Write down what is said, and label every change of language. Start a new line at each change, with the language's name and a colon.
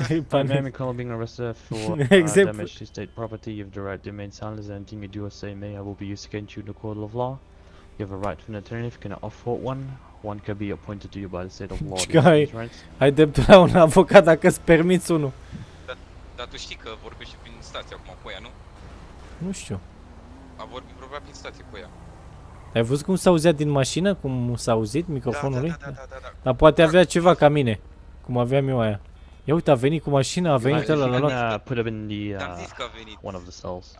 English: I'm Amy Cole being arrested for damage to state property. You have the right to remain silent. Anything you do or say may, I will be used against you in the court of law. You have a right to an attorney if you cannot afford one. One can be appointed to you by the state of law.
Romanian: Guy, ai dreptul la un avocat dacă îți permiți unul. Dar tu știi că vorbești și prin stație acum cu ea, nu? Nu știu. A vorbit probabil prin stație cu ea. Ai văzut cum s-a auzit din mașină? Cum s-a auzit microfonul lui? Da. Dar poate avea ceva ca mine. Cum aveam eu aia. Ia uite, a venit cu mașina, a venit ăla la loc.
English: Put him in the, one of the cells.